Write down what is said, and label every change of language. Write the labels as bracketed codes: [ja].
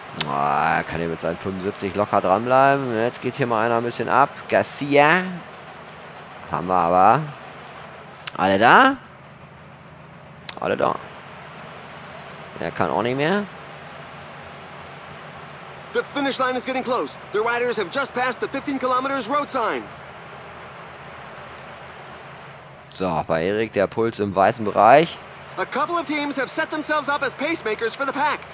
[de] Ah, kann hier mit seinen 75 locker dranbleiben. Jetzt geht hier mal einer ein bisschen ab. Garcia. Haben wir aber. Alle da? Alle da. Der kann auch nicht mehr. [en] The finish line is getting close. The riders have just passed the 15 kilometers road sign. [de] So, bei Erik der Puls im weißen Bereich. [en] A couple of teams have set themselves up as pacemakers for the pack.